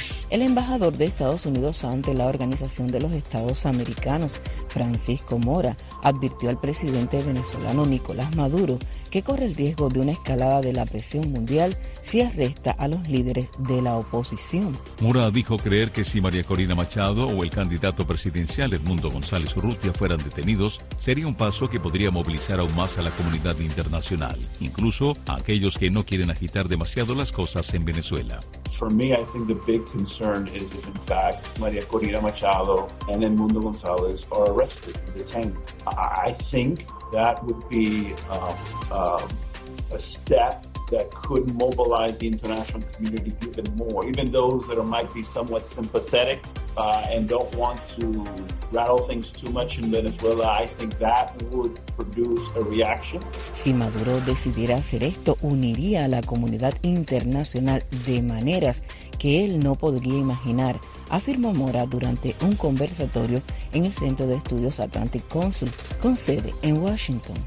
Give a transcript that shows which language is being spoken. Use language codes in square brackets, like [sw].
[es] El embajador de Estados Unidos ante la Organización de los Estados Americanos, Francisco Mora, advirtió al presidente venezolano Nicolás Maduro que corre el riesgo de una escalada de la presión mundial si arresta a los líderes de la oposición. Mora dijo creer que si María Corina Machado o el candidato presidencial Edmundo González Urrutia fueran detenidos, sería un paso que podría movilizar aún más a la comunidad internacional, incluso a aquellos que no quieren agitar demasiado las cosas en Venezuela. [en] For me, I think the big concern is if in fact María Corina Machado and Edmundo González are arrested and detained. I think that would be a step that could mobilize the international community even more, even those that might be somewhat sympathetic and don't want to rattle things too much in Venezuela. I think that would produce a reaction. [es] Si Maduro decidiera hacer esto, uniría a la comunidad internacional de maneras que él no podría imaginar, afirmó Mora durante un conversatorio en el Centro de Estudios Atlantic Council, con sede en Washington.